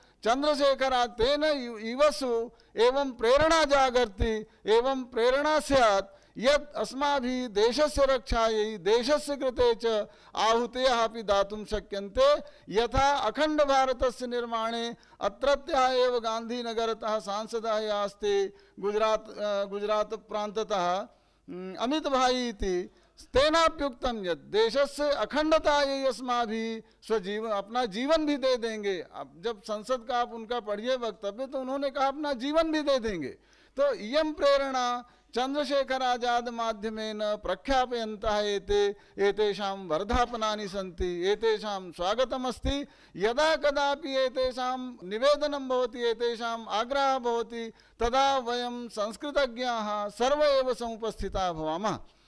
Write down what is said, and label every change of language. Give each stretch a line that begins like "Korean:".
Sanskrit: चंद्रशेखर तेन युवसु एवं प्रेरणा जागर्ति एवं प्रेरणा स्यात् यत् अस्माभिः देशस्य रक्षायै देशस्य कृते च आहुतयः अपि दातुं शक्यन्ते यथा अखंड भारतस्य निर्माणे अत्रत्यः एव गांधीनगरतः सांसदः अस्ति गुजरात गुजरात प्रान्ततः अमित भाई इति तेनाप्युक्तं यत् देशस्य अखंडतायै अस्माभिः स्वजीव
Hindi: अपना जीवन भी दे देंगे। अब जब संसद का आप उनका पढ़िए वक्तव्य तो उन्होंने कहा अपना जीवन भी दे देंगे।
Sanskrit: तो इयं प्रेरणा चंद्रशेखर आजाद माध्यमेन प्रख्यापयन्तः एतेषां वर्धापनानि सन्ति एतेषां स्वागतमस्ति। यदा कदापि एतेषां निवेदनं भवति एतेषां आग्रहः भवति तदा वयं संस्कृतज्ञाः सर्व एव समुपस्थिताः भवामः।